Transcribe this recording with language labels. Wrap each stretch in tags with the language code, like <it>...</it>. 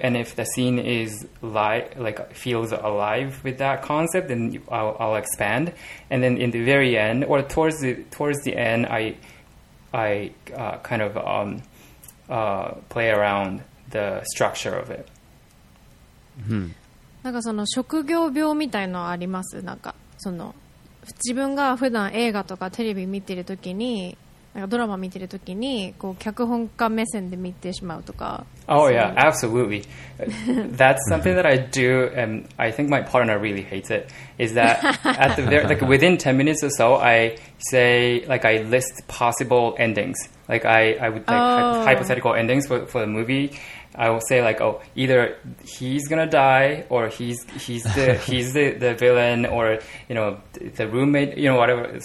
<en>And if the scene is feels alive with that concept, then I'll expand. And then in the very end, or towards the end, I kind of play around the structure of it.</en> <ja>なんかその職業病みたいのあります？なんかその自分が普段映画とかテレビ見てるときに、なんかドラマ見てるときに、こう脚本家目線で見てしまうとか。</ja> <en>Oh yeah, absolutely. That's something that I do, and I think my partner really hates it. Is that at the very, like within 10 minutes or so, I say like I list possible endings, like I would like hypothetical endings for the movie. I will say like, oh, either he's gonna die, or he's the villain, or you know, the roommate, you know, whatever.</en>